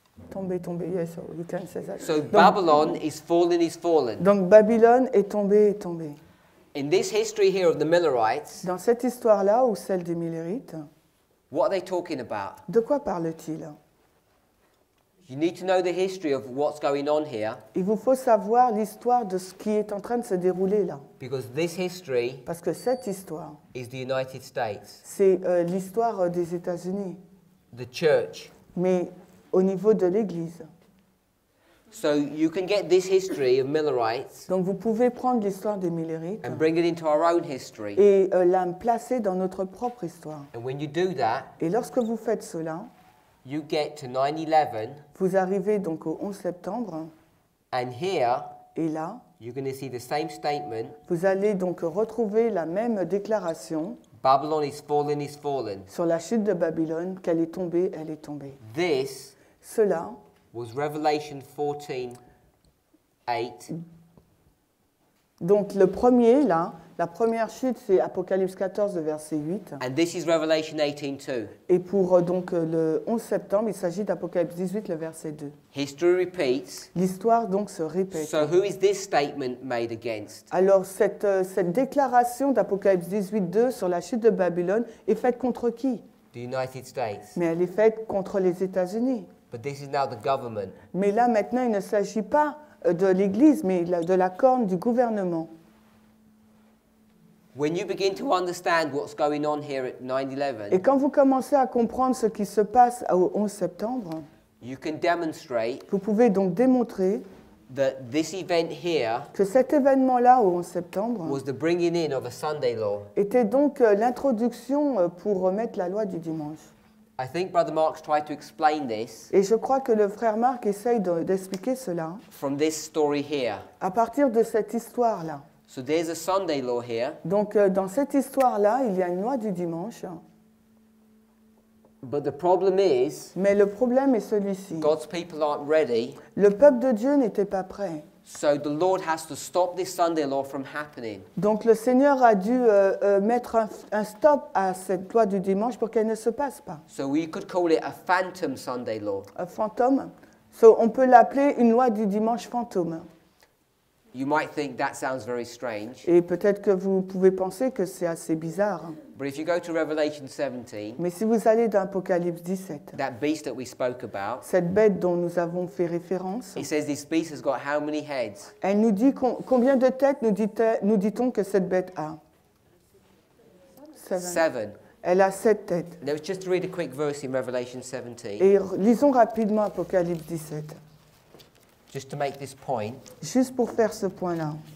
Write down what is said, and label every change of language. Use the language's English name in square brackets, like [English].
[French] Tombé, tombé, [English] yes, you can say that. So Babylon is fallen, is fallen. [French] Donc Babylone est tombé, est tombé. [English] In this history here of the Millerites. [French] Dans cette histoire-là ou celle des Millerites. [English] What are they talking about? [French] De quoi parle-t-il? [English] You need to know the history of what's going on here. [French] Il vous faut savoir l'histoire de ce qui est en train de se dérouler là. [English] Because this history. [French] Parce que cette histoire. [English] Is the United States. [French] C'est l'histoire des États-Unis. [English] the church. [French] Mais au niveau de l'Église. [English] So you can get this history of Millerites. [French] Donc vous pouvez prendre l'histoire des Millerites. [English] And bring it into our own history. [French] Et la placer dans notre propre histoire. [English] And when you do that, [French] et lorsque vous faites cela, [English] you get to 9/11. [French] Vous arrivez donc au 11 septembre. [English] And here, [French] et là, [English] you're going to see the same statement. [French] Vous allez donc retrouver la même déclaration. [English] Babylon is fallen, is fallen. [French] Sur la chute de Babylone, qu'elle est tombée, elle est tombée. [English] This [French] cela [English] was Revelation 14, 8. [French] Donc le premier, là, la première chute, c'est Apocalypse 14, verset 8. [English] And this is Revelation 18, 2. [French] Et pour donc le 11 septembre, il s'agit d'Apocalypse 18, le verset 2. [English] History repeats. [French] L'histoire donc se répète. [English] So who is this statement made against? [French] Alors cette déclaration d'Apocalypse 18, 2 sur la chute de Babylone est faite contre qui? [English] The United States. [French] Mais elle est faite contre les États-Unis. [English] But this is now the government. [French] Mais là maintenant, il ne s'agit pas de l'Église, mais de la corne du gouvernement. [English] When you begin to understand what's going on here at 9/11, [French] et quand vous commencez à comprendre ce qui se passe au 11 septembre, [English] you can demonstrate, [French] vous pouvez donc démontrer [English] that this event here, [French] que cet événement-là au 11 septembre, [English] was the bringing in of a Sunday law, [French] était donc l'introduction pour remettre la loi du dimanche. [English] I think Brother Mark's tried to explain this. [French] Et je crois que le frère Mark essaye d'expliquer cela. [English] From this story here. [French] À partir de cette histoire-là. [English] So there's a Sunday law here. [French] Donc dans cette histoire-là, il y a une loi du dimanche. [English] But the problem is. [French] Mais le problème est celui-ci. [English] God's people aren't ready. [French] Le peuple de Dieu n'était pas prêt. [English] So the Lord has to stop this Sunday law from happening. [French] Donc le Seigneur a dû mettre un stop à cette loi du dimanche pour qu'elle ne se passe pas. [English] So we could call it a phantom Sunday law. [French] Un fantôme. So on peut l'appeler une loi du dimanche fantôme. [English] You might think that sounds very strange. [French] Et peut-être que vous pouvez penser que c'est assez bizarre. [English] But if you go to Revelation 17, [French] mais si vous allez dans Apocalypse 17, [English] that beast that we spoke about, [French] cette bête dont nous avons fait référence, [English] it says this beast has got how many heads? [French] Elle nous dit combien de têtes nous dit-on que cette bête a? [English] Seven. [French] Elle a sept têtes. [English] Now just read a quick verse in Revelation 17. [French] Et lisons rapidement Apocalypse 17. [English] Just to make this point. [French] Juste pour faire ce point-là.